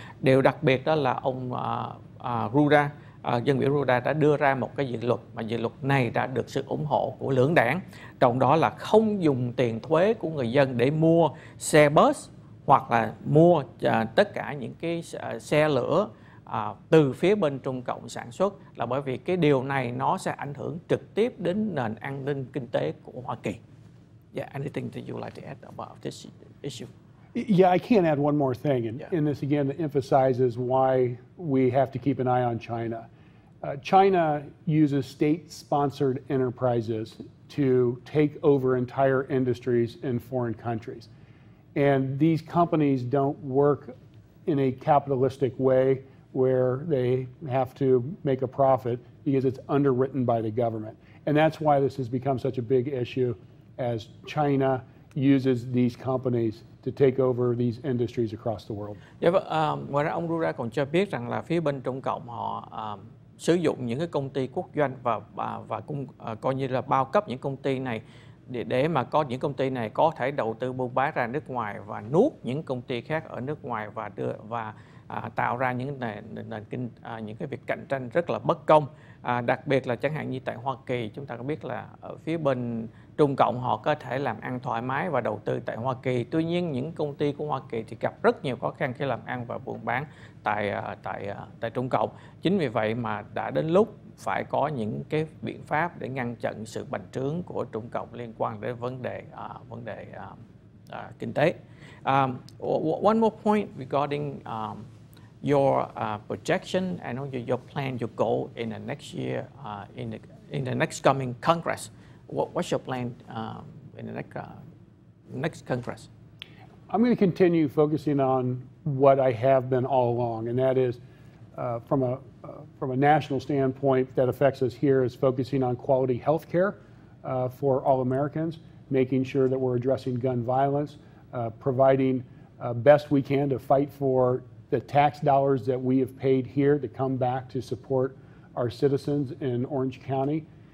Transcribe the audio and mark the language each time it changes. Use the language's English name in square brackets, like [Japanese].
[Vietnamese] Điều đặc biệt đó là ông Ruda, dân biểu Ruda đã đưa ra một cái dự luật, mà dự luật này đã được sự ủng hộ của lưỡng đảng, trong đó là không dùng tiền thuế của người dân để mua xe bus hoặc là mua tất cả những cái xe lửa từ phía bên Trung Cộng sản xuất, là bởi vì cái điều này nó sẽ ảnh hưởng trực tiếp đến nền an ninh kinh tế của Hoa Kỳ. [English] Yeah, anything that you would like to add about this issue? Yeah, I can add one more thing, and, yeah. And this again emphasizes why we have to keep an eye on China. China uses state-sponsored enterprises to take over entire industries in foreign countries. And these companies don't work in a capitalistic way where they have to make a profit, because it's underwritten by the government. And that's why this has become such a big issue, as China uses these companies to take over these industries across the world. [Vietnamese] Dạ vâng, ngoài ra ông Rura còn cho biết rằng là phía bên Trung Cộng họ sử dụng những cái công ty quốc doanh và cũng coi như là bao cấp những công ty này để mà có những công ty này có thể đầu tư buôn bán ra nước ngoài và nuốt những công ty khác ở nước ngoài tạo ra những nền kinh những cái việc cạnh tranh rất là bất công. Đặc biệt là chẳng hạn như tại Hoa Kỳ, chúng ta có biết là ở phía bên Trung Cộng họ có thể làm ăn thoải mái và đầu tư tại Hoa Kỳ. Tuy nhiên những công ty của Hoa Kỳ thì gặp rất nhiều khó khăn khi làm ăn và buôn bán tại Trung Cộng. Chính vì vậy mà đã đến lúc phải có những cái biện pháp để ngăn chặn sự bành trướng của Trung Cộng liên quan đến vấn đề kinh tế. [English] One more point regarding your projection and also your plan, your goal in the next year, in the next coming Congress. What's your plan in the next Congress? I'm going to continue focusing on what I have been all along, and that is from a national standpoint that affects us here is focusing on quality health care for all Americans, making sure that we're addressing gun violence, providing best we can to fight for the tax dollars that we have paid here to come back to support our citizens in Orange County.